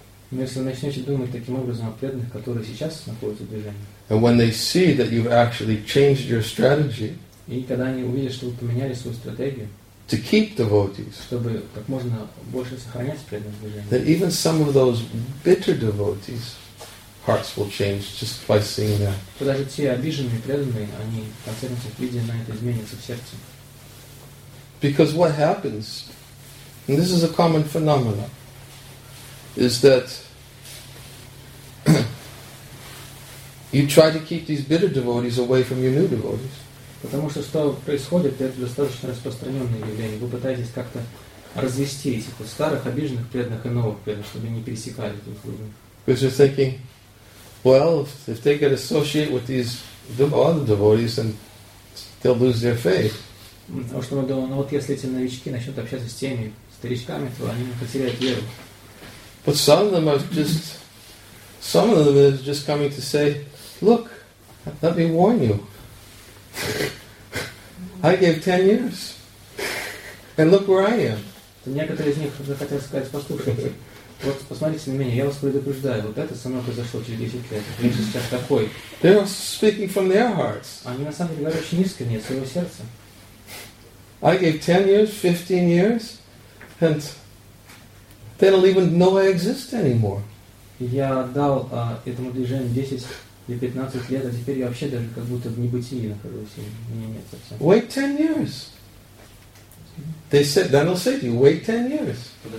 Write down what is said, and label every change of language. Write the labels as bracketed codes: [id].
[ru] Если начнете думать таким образом о преданных, которые сейчас находятся в движении. [en] And when they see that you've actually changed your strategy. [ru] И когда они увидят, что вы поменяли свою стратегию. [en] To keep devotees. [ru] Чтобы как можно больше сохранять преданных в движении. [en] That even some of those bitter devotees' hearts will change just by seeing that. [ru] То даже те обиженные преданные, они в конце концов видя на это изменятся в сердце. [en] Because what happens, and this is a common phenomenon, is that you try to keep these bitter devotees away from your new devotees. [ru] Потому что происходит, это достаточно распространенное явление. Вы пытаетесь как-то развести этих старых обиженных преданных и новых преданных, чтобы не пересекали друг друга. [en] Because you're thinking, well, if they get associated with these other devotees, then they'll lose their faith. [ru] Потому что мы думаем, ну вот если эти новички начнут общаться с теми старичками, то они потеряют веру. [en] But some of them are just coming to say, look, let me warn you. I gave 10 years. And look where I am. [ru] Некоторые из них уже хотят сказать, послушайте, вот посмотрите на меня, я вас предупреждаю, вот это со мной произошло через 10 лет, я же сейчас такой. [en] They're speaking from their hearts. [ru] Они на самом деле говорят очень искренне от своего сердца. [en] I gave 10 years, 15 years, and they don't even know I exist anymore. [ru] Я дал этому движению 10 или 15 лет, а теперь я вообще даже как будто в небытии нахожусь. Меня нет совсем. [en] Wait 10 years. They said, then they'll say to you, wait 10 years.